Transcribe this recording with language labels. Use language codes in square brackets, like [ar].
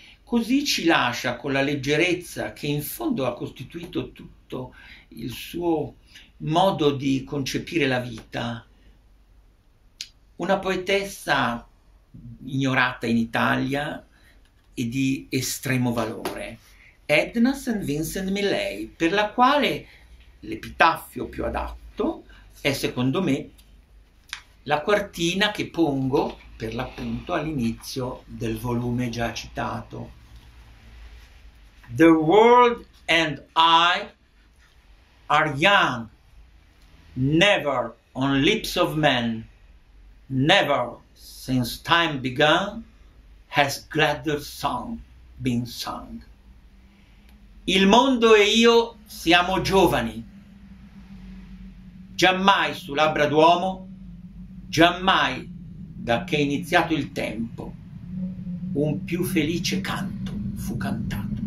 [it] Così ci lascia con la leggerezza che in fondo ha costituito tutto il suo modo di concepire la vita, una poetessa ignorata in Italia e di estremo valore, Edna St. Vincent Millay, per la quale l'epitaffio più adatto è, secondo me, la quartina che pongo per l'appunto all'inizio del volume già citato. [en] The world and I are young, never on lips of men, never since time began has gladder song been sung. [it] Il mondo e io siamo giovani, giammai su labbra d'uomo, giammai da che è iniziato il tempo, un più felice canto fu cantato.